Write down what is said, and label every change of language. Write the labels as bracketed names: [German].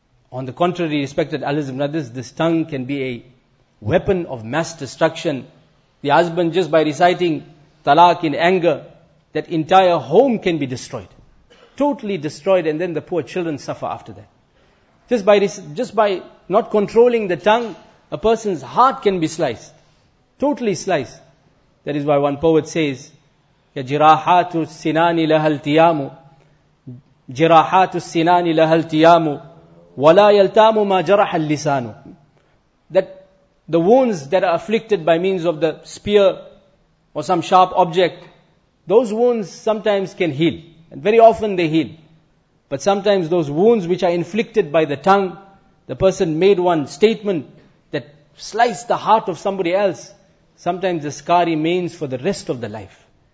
[English] On the contrary, respected elders and brothers, this tongue can be a weapon of mass destruction. The husband, just by reciting talaq in anger, that entire home can be destroyed. Totally destroyed, and then the poor children suffer after that. Just by not controlling the tongue, A person's heart can be sliced, totally sliced. That is why one poet says, [Arabic] جِرَاحَاتُ السِّنَانِ لَهَا الْتِيَامُ جِرَاحَاتُ السِّنَانِ لَهَا الْتِيَامُ وَلَا يَلْتَامُ مَا جَرَحَ الْلِسَانُ. [English] That the wounds that are afflicted by means of the spear or some sharp object, those wounds sometimes can heal. And very often they heal. But sometimes those wounds which are inflicted by the tongue, the person made one statement that sliced the heart of somebody else, sometimes the scar remains for the rest of the life.